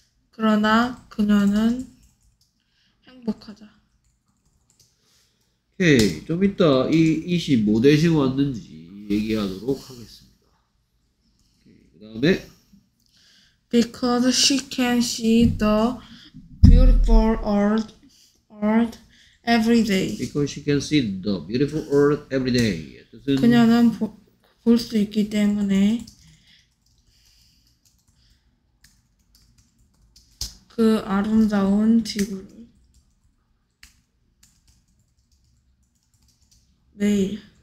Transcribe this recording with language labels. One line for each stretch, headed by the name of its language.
Korean: 그러나 그녀는 행복하다. Okay, 좀 이따 이 이시 뭐 대신 왔는지 얘기하도록 하겠습니다. Okay, 그 다음에
English: Because she can see the beautiful earth every day. Because she can see the beautiful earth every day.
Korean: 뜻은 그녀는 볼수 있기 때문에 그 아름다운 지구를 매일.